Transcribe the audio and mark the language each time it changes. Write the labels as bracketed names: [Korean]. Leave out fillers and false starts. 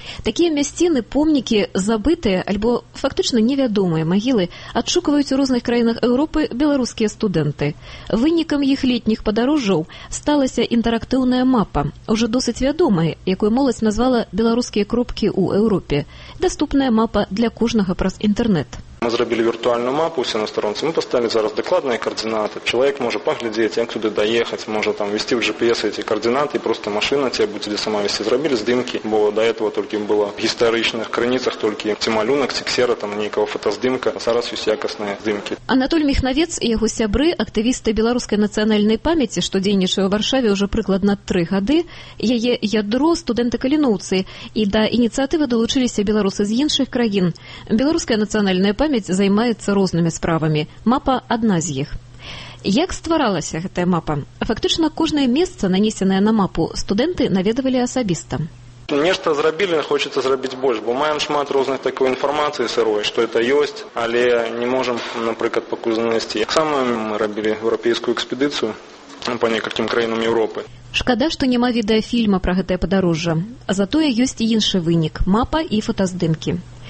[Belarusian] Такія мясціны, помнікі, забытыя альбо фактычна невядомыя магілы адшукваюць у розных краінах Еўропы беларускія студэнты. Вынікам іх летніх падарожжаў сталася інтэрактыўная мапа, ўжо досыць вядомая, якую моладзь назвала «Беларускія кропкі ў Еўропе». Даступная мапа для кожнага праз інтэрнэт. Мы зрабілі віртуальную мапу ўсе на старонцы. Мы паставілі зараз дакладныя каардынаты. Чалавек можа паглядзець, як туды даехаць, можа там весці ў GPS эти каардынаты, і проста машына цябе будзе сама весці. Зрабілі здымкі, бо да этого толькі было ў гістарычных крыніцах толькі ці малюнак, ці ксера, там нейкага фотаздымка, а зараз ёсць якасныя здымкі. Анатоль Міхнавец і яго сябры, актывісты беларускай нацыянальнай памяці, што дзейнічае ў Варшаве ўжо прыкладна 3 гады, яе ядро студэнты Каліноўцы, і да ініцыятывы далучыліся беларусы з іншых краін. [Ukrainian] Беларуская нацыянальная память займається різними справами. Мапа – одна з їх. Як створалася ця мапа? Фактично, кожне місце, нанесене на мапу, студенти навідували особисто. [Belarusian] Нешта зрабілі, хочацца зрабіць больш, бо маем шмат розных такой інфармацыі сырой, што это ёсць, але не можам, напрыклад, пакуль знайсці. Таксама мы рабілі еўрапейскую экспедыцыю па некалькім краінам Еўропы. Шкада, што няма відэафільма пра гэтае падарожжа. Затое ёсць іншы вынік – мапа і фотаздымкі.